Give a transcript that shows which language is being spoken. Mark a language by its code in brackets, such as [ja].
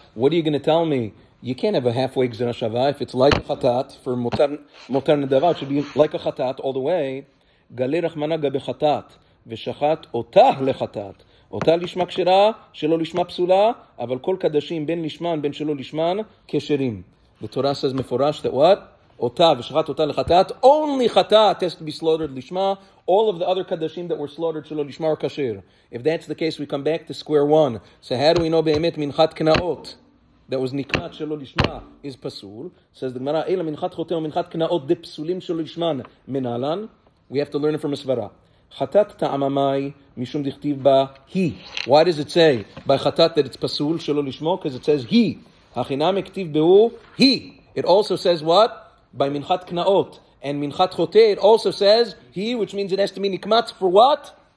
[en] What are you going to tell me? You can't have a halfway gzera shava. If it's like a chatat, for motar nedava, it should be like a chatat all the way. [arc] Gali rachmana gabi chatat. V'shachat otah lechatat. [he] אותה לשמה כשרה, שלא לשמה פסולה, אבל כל קדשים, בין לשמן, בין שלא לשמן, כשרים. [en] בתורה says מפורש that what? אותה, [he] ושחת אותה לחטאת, [en] only חטאת has to be slaughtered לשמה, all of the other קדשים that were slaughtered שלא לשמה are כשר. If that's the case, we come back to square one. So how do we know באמת מנחת קנאות that was נקנת שלא לשמה is פסול? Says the Gemara, [arc] אלא מנחת חוטא ומנחת קנאות דה פסולים שלא לשמן מנהלן. [en] We have to learn it from הסברה. [arc] Chatat ta'amamai mishum dichtiv ba hi. [en] Why does it say by chatat that it's pasul shelo lishmo? Because it says hi. [arc] Hachinam ektiv behu hi. [en] It also says what? By minchat knaot. And minchat chote, it also says hi, which means it has to be nikmat for what?